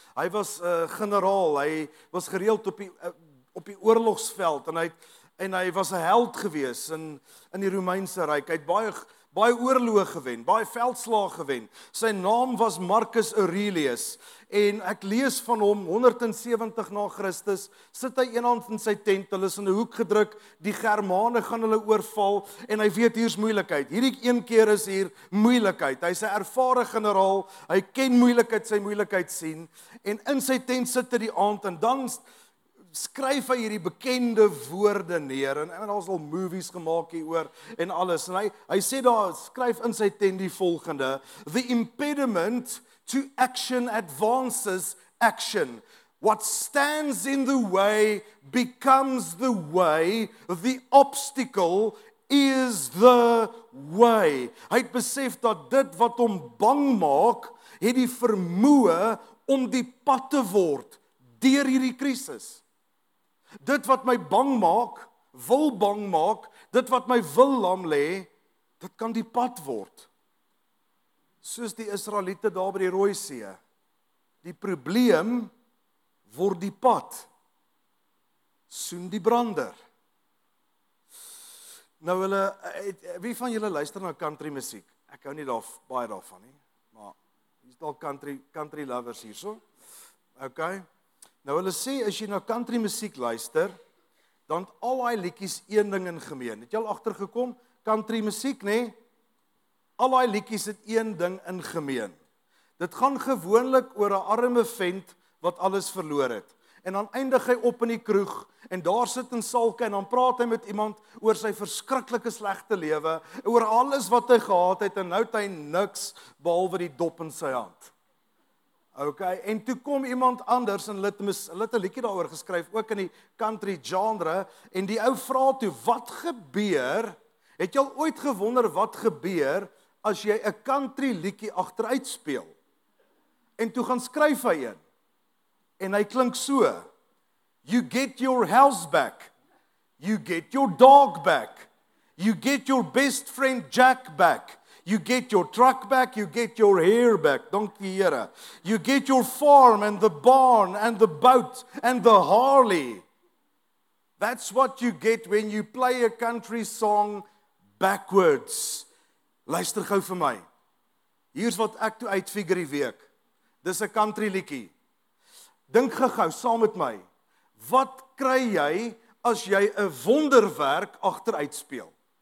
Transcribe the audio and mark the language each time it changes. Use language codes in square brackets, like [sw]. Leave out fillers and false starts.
[af] Hy was generaal, hy was gereeld op die oorlogsveld, en hy was 'n held gewees in die Romeinse Ryk. Hy het baie oorloë gewen, baie veldslae gewen. Sy naam was Marcus Aurelius, en ek lees van hom, 170 na Christus, sit hy eenhand in sy tent, hulle is in 'n hoek gedruk, die Germane gaan hulle oorval, en hy weet, hier is moeilikheid. Hierdie een keer is hier moeilikheid. Hy is 'n ervare generaal, hy ken moeilikheid, sy moeilikheid sien, en in sy tent sit hy die aand, en dan skryf hy hierdie bekende woorde neer, en daar's al movies gemaak hieroor en alles, en hy sê daar, skryf in sy tent die volgende: [en] the impediment to action advances action. What stands in the way becomes the way. The obstacle is the way. [af] Hy het besef dat dit wat hom bang maak, het die vermoë om die pad te word deur hierdie krisis. Dit wat my bang maak, wil bang maak, dit wat my wil lam lê, dit kan die pad word. soos die Israeliete daar by die Rooi See. Die probleem word die pad. Soen die brander. Nou hulle, wie van julle luister na country muziek? Ek hou nie daar, baie daarvan nie. Maar, hier is al country lovers hierso. Ok. Nou hulle sê, as jy na country muziek luister, dan het al die liedjies een ding in gemeen. Het jy al agtergekom? Country muziek, nee? Al die liedjies het een ding in gemeen. Dit gaan gewoonlik oor 'n arme vent wat alles verloor het. En dan eindig hy op in die kroeg, en daar sit in salke, en dan praat hy met iemand oor sy verskriklike slegte lewe, oor alles wat hy gehad het, en nou het hy niks, behalwe die dop in sy hand. Ok, en toe kom iemand anders, en hulle het een liedjie daaroor geskryf, ook in die country genre, en die ou vra toe, wat gebeur, het jy al ooit gewonder wat gebeur, as jy 'n country liedjie agteruit speel? En toe gaan skryf hy een, en hy klink so, [en] you get your house back, you get your dog back, you get your best friend Jack back, you get your truck back, you get your hair back, [af] dankie Here. [en] You get your farm and the barn and the boat and the Harley. That's what you get when you play a country song backwards. [af] Luister gou vir my. Hier's wat ek toe uitfigure die week. Dis 'n country liedjie. Dink gou saam met my. Wat kry jy as jy 'n wonderwerk agteruit speel?